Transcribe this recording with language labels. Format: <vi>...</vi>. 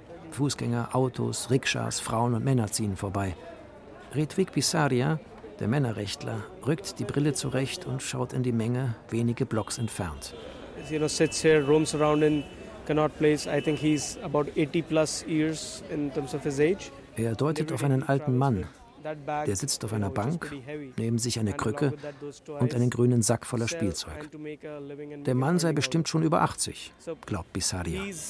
<de>Fußgänger, Autos, Rikschas, Frauen und Männer ziehen vorbei. Ritwik Bisaria, der Männerrechtler, rückt die Brille zurecht und schaut in die Menge, wenige Blocks entfernt.</de> <en>You know, sits here, roams around in Connaught Place. I think he's about 80 plus years in terms of his age.</en> <de>Er deutet auf einen alten Mann. Der sitzt auf einer Bank, neben sich eine Krücke und einen grünen Sack voller Spielzeug. Der Mann sei bestimmt schon über 80, glaubt Bisaria.</de>